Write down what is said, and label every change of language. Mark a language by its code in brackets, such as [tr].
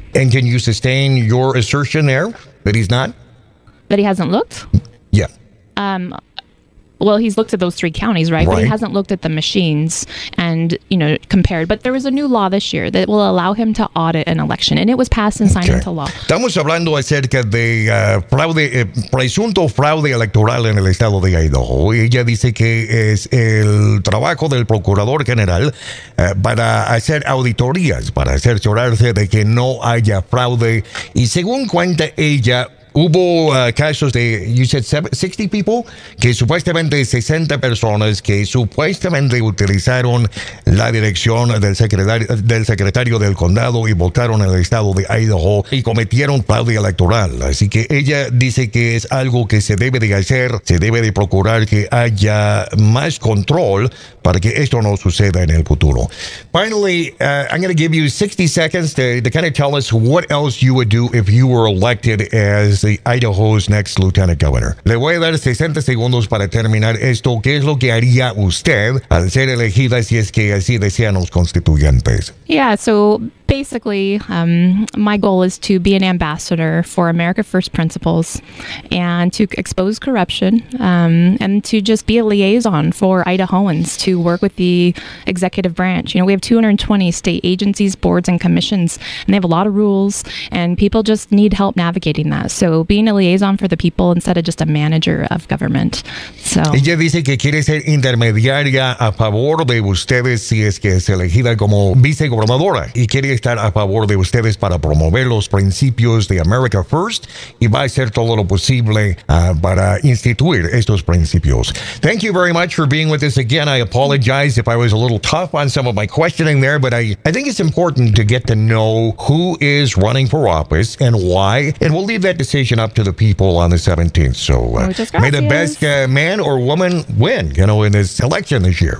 [en] And can you sustain your assertion there that he's not? That he hasn't looked? Yeah. Well, he's looked at those three counties, right? But he hasn't looked at the machines and, you know, compared. But there was a new law this year that will allow him to audit an election. And it was passed and signed into law. [es] Estamos hablando acerca de presunto fraude electoral en el estado de Idaho. Ella dice que es el trabajo del procurador general para hacer auditorías, para cerciorarse de que no haya fraude. Y según cuenta ella, hubo casos de, [en] you said 60 people, [es] que supuestamente 60 personas que supuestamente utilizaron la dirección del secretario del condado y votaron en el estado de Idaho y cometieron fraude electoral. Así que ella dice que es algo que se debe de hacer, se debe de procurar que haya más control para que esto no suceda en el futuro. [en] Finally, I'm going to give you 60 seconds to kind of tell us what else you would do if you were elected as Idaho's next lieutenant governor. [es] Le voy a dar 60 segundos para terminar esto. ¿Qué es lo que haría usted al ser elegida si es que así desean los constituyentes? [en] Yeah, so basically, my goal is to be an ambassador for America First Principles and to expose corruption and to just be a liaison for Idahoans to work with the executive branch. You know, we have 220 state agencies, boards, and commissions, and they have a lot of rules, and people just need help navigating that. So being a liaison for the people instead of just a manager of government. So [es] ella dice que quiere ser intermediaria a favor de ustedes si es que es elegida como vicegobernadora y quiere estar a favor de ustedes para promover los principios de America First y va a hacer todo lo posible para instituir estos principios. [en] Thank you very much for being with us again. I apologize if I was a little tough on some of my questioning there, but I think it's important to get to know who is running for office and why, and we'll leave that decision up to the people on the 17th. So may the best man or woman win, you know, in this election this year.